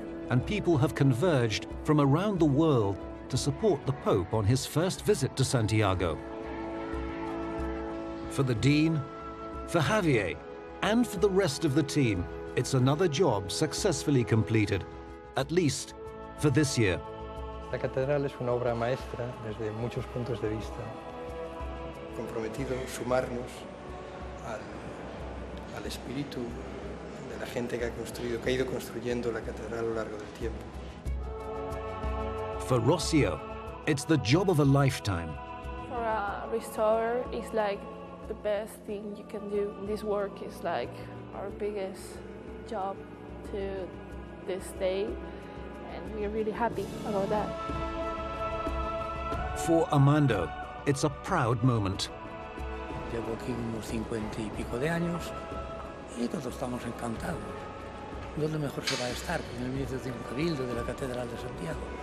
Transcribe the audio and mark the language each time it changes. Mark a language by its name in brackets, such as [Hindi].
[English] And people have converged from around the world to support the Pope on his first visit to Santiago. For the Dean, for Javier, and for the rest of the team, it's another job successfully completed, at least for this year. [Spanish] La catedral es una obra maestra desde muchos puntos de vista. Comprometido sumarnos al espíritu de la gente que ha ido construyendo la catedral a lo largo del tiempo. [English] For Rossio, it's the job of a lifetime. For a restorer, it's like the best thing you can do. This work is like our biggest job to this day, and we're really happy about that. For Armando, it's a proud moment. [Spanish] Llevo aquí unos 50 y pico de años y todos estamos encantados. ¿Dónde mejor se va a estar que en el medio de un cabildo de la Catedral de Santiago?